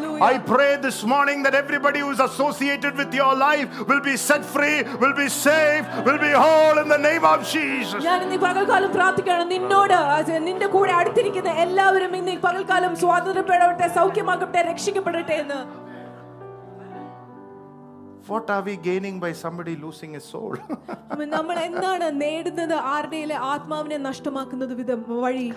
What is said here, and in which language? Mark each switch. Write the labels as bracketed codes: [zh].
[en] I pray this morning that everybody who is associated with your life will be set free, will be saved, will be whole in the name of Jesus. [ml] ഞാൻ ഇന്ന് പകൽക്കാലം പ്രാർത്ഥിക്കുകയാണ്, നിന്നോട് നിന്റെ കൂടെ അടുത്തിരിക്കുന്ന എല്ലാവരും ഇന്ന് പകൽക്കാലം സ്വാതന്ത്ര്യപ്പെടട്ടെ, സൗഖ്യമാകട്ടെ, രക്ഷിക്കപ്പെടട്ടെ എന്ന്. [en] What are we gaining by somebody losing his soul? [ml] നമ്മൾ എന്താണ് നേടുന്നത് ആരുടെയിലെ ആത്മാവിനെ നഷ്ടമാക്കുന്നത് വിധം വഴി?